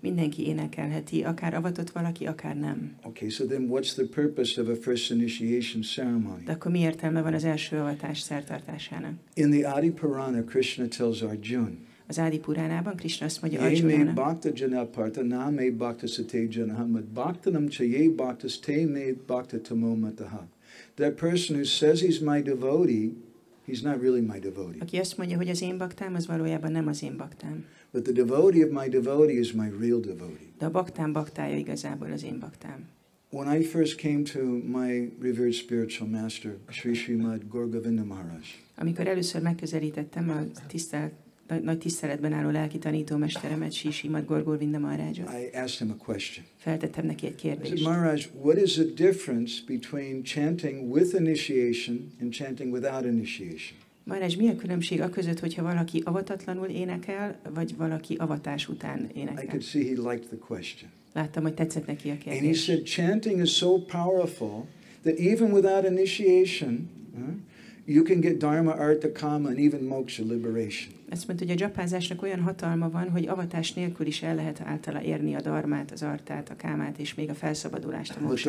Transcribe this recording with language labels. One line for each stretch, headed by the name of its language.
Hungarian: Mindenki énekelheti, akár avatott valaki, akár nem.
English: Okay, so then what's the purpose of a first initiation ceremony?
Hungarian: De akkor mi értelme van az első avatás szertartásának?
English: In the Adi Purana, Krishna tells Arjuna.
Hungarian: Az Ádi Puránában Krishna azt mondja Arjunának.
Sanskrit: Yé me bhakta jana partha, na me bhakta sate jana hamad bhaktanam cha yé bhakta sate me bhakta tamo mataha.
English: That person who says he's my devotee, he's not really my devotee.
Hungarian: Aki azt mondja, hogy az én baktám, az valójában nem az én baktám.
English: But the devotee of my devotee is my real devotee.
Hungarian: De a baktám baktája igazából az én baktám.
English: When I first came to my revered spiritual master, Sri Srimad Gaurgovinda Maharaj.
Hungarian: Amikor először megközelítettem a tisztelt nagy tiszteletben álló lelki tanító mesteremet, Sri Srimad Gaurgovinda Maharajot.
English: I asked him a question.
Hungarian: Feltettem neki egy kérdést.
English: Maharaj, what is the difference between chanting with initiation and chanting without initiation?
Hungarian: Maharaj, mi a különbség a között, hogyha valaki avatatlanul énekel, vagy valaki avatás után énekel?
English: I could see he liked the question.
Hungarian: Láttam, hogy tetszett neki a kérdés.
English: And he said, chanting is so powerful that even without initiation, you can get dharma, artha, kama, and even moksha liberation.
Hungarian: Azt mondta, hogy a japázásnak olyan hatalma van, hogy avatás nélkül is el lehet általa érni a dharmát, az artát, a kámát, és még a felszabadulást, a